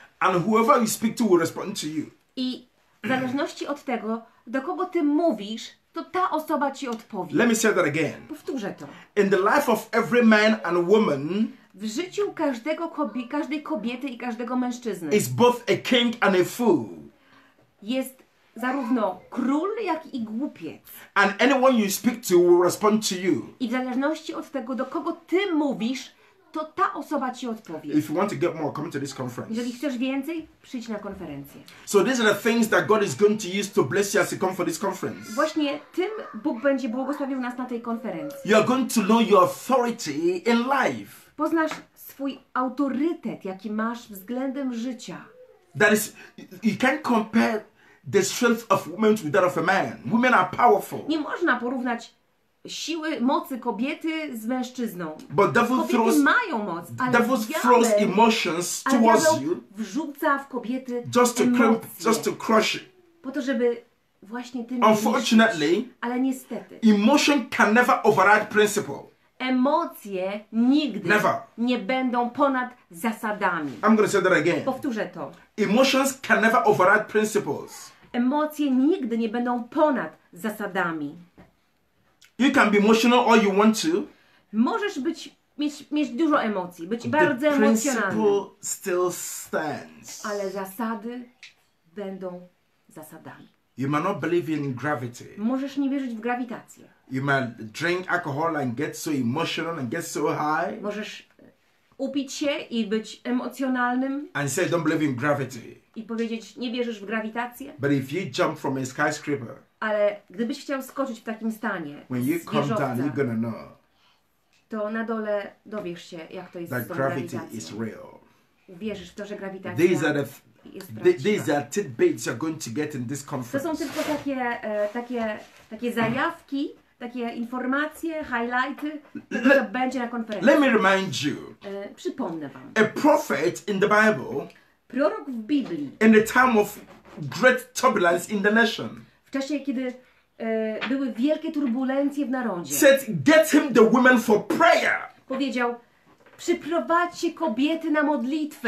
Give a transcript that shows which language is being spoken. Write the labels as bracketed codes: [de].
[en] And whoever you speak to will respond to you. [pl] I w zależności od tego, do kogo ty mówisz, to ta osoba ci odpowie. [en] Let me say that again. [pl] Powtórzę to. [en] In the life of every man and woman, [pl] w życiu każdego każdej kobiety i każdego mężczyzny [en] is both a king and a fool. [pl] Jest zarówno król, jak i głupiec. [en] And anyone you speak to will respond to you. [pl] I w zależności od tego, do kogo ty mówisz, to ta osoba ci odpowie. [en] If you want to get more, come to this conference. [pl] Jeżeli chcesz więcej, przyjdź na konferencję. [en] So these are the things that God is going to use to bless you as you come for this conference. [pl] Właśnie tym Bóg będzie błogosławił nas na tej konferencji. [en] You are going to know your authority in life. [pl] Poznasz swój autorytet, jaki masz względem życia. [en] That is, you can't compare the strength of women with that of a man. Women are powerful. [pl] Nie można porównać siły, mocy kobiety z mężczyzną. [en] But devil [pl] kobiety [en] throws, [pl] mają moc, ale [en] devil throws emotions towards you. [pl] Wrzuca w kobiety [en] just to [pl] emocje. [en] Just to crush it. [pl] Po to, żeby właśnie tym [en] unfortunately, [pl] niszczyć. Ale niestety. [en] Emotion can never override principle. [pl] Emocje nigdy [en] never. [pl] Nie będą ponad zasadami. [en] I'm gonna say that again. [pl] Powtórzę to. [en] Emotions can never override principles. [pl] Emocje nigdy nie będą ponad zasadami. [en] You can be emotional all you want to. [pl] Możesz być mieć dużo emocji, być bardzo emocjonalny. [en] The principle still stands. [pl] Ale zasady będą zasadami. [en] You may not believe in gravity. [pl] Możesz nie wierzyć w grawitację. [en] You may drink alcohol and get so emotional and get so high. [pl] Możesz upić się i być emocjonalnym. [en] And say don't believe in gravity. [pl] I powiedzieć nie wierzysz w grawitację. [en] But if you jump from a skyscraper. [pl] Ale gdybyś chciał skoczyć w takim stanie. [en] When you come down, you're gonna know. [pl] To na dole dowiesz się, jak to jest [en] that [pl] z tą [en] gravity [pl] grawitacją. [en] Is real. [pl] Uwierzysz w to, że grawitacja. [en] These are the These are tidbits you're going to get in this conference. [pl] To są tylko takie takie zajawki, takie informacje, highlighty, które będzie na konferencji. [en] Let me remind you. [pl] Przypomnę wam. [en] A prophet in the Bible. [pl] Prorok w Biblii. [en] In the time of great turbulence in the nation. [pl] W czasie kiedy były wielkie turbulencje w narodzie. [en] Said, get him the women for prayer. [pl] Powiedział, przyprowadźcie kobiety na modlitwę.